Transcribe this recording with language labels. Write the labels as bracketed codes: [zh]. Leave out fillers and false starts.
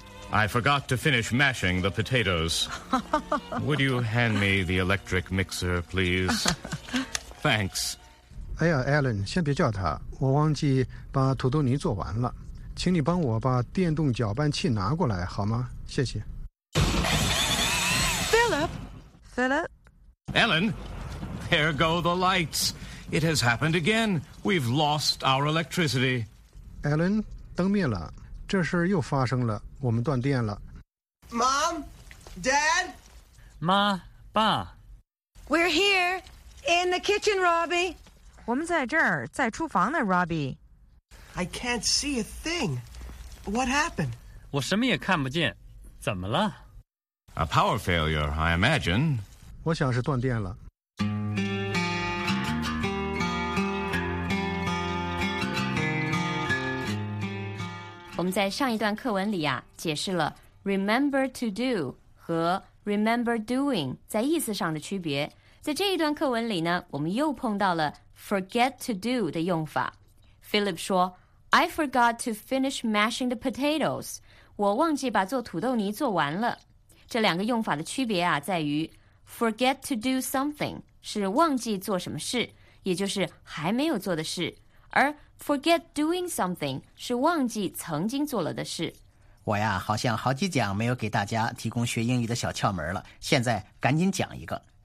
[en] I forgot to finish mashing the potatoes. Would you hand me the electric mixer, please? Thanks. [zh] 哎呀 ，Ellen， 先别叫他，我忘记把土豆泥做完了，请你帮我把电动搅拌器拿过来好吗？谢谢。 [en] Philip. Ellen, there go the lights. It has happened again. We've lost our electricity. [zh] Ellen, 灯灭了，这事又发生了，我们断电了。 [en] Mom, Dad. [zh] 妈，爸。 [en] We're here in the kitchen, Robbie. [zh] 我们在这儿，在厨房呢 ，Robbie。 [en] I can't see a thing. What happened? [zh] 我什么也看不见，怎么了 [en] ？A power failure, I imagine. [zh] 我想是断电了。我们在上一段课文里啊，解释了 [en] remember to do [zh] 和 [en] remember doing [zh] 在意思上的区别。在这一段课文里呢，我们又碰到了 [en] forget to do [zh] 的用法。 [en] Philip [zh] 说 [en] I forgot to finish mashing the potatoes. [zh] 我忘记把做土豆泥做完了。这两个用法的区别啊，在于 [en] forget to do something [zh] 是忘记做什么事，也就是还没有做的事，而 [en] forget doing something [zh] 是忘记曾经做了的事。我呀，好像好几讲没有给大家提供学英语的小窍门了，现在赶紧讲一个。